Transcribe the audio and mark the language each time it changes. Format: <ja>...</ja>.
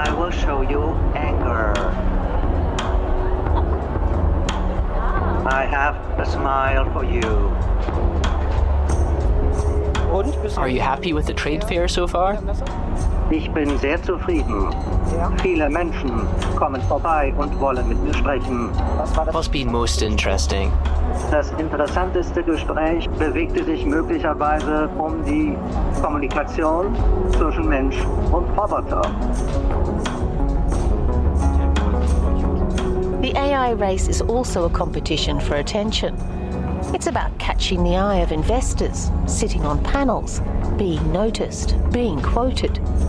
<en>Show you anger. I have a smile for you. Are you happy with the trade fair so far?</en> <de>Ich bin sehr zufrieden. Viele Menschen kommen vorbei und wollen mit mir sprechen.</de> <en>What's been most interesting?</en> <de>Das interessanteste Gespräch bewegte sich möglicherweise um die Kommunikation zwischen Mensch und Roboter.</de> <en>The AI race is also a competition for attention. It's about catching the eye of investors, sitting on panels, being noticed, being quoted.</en>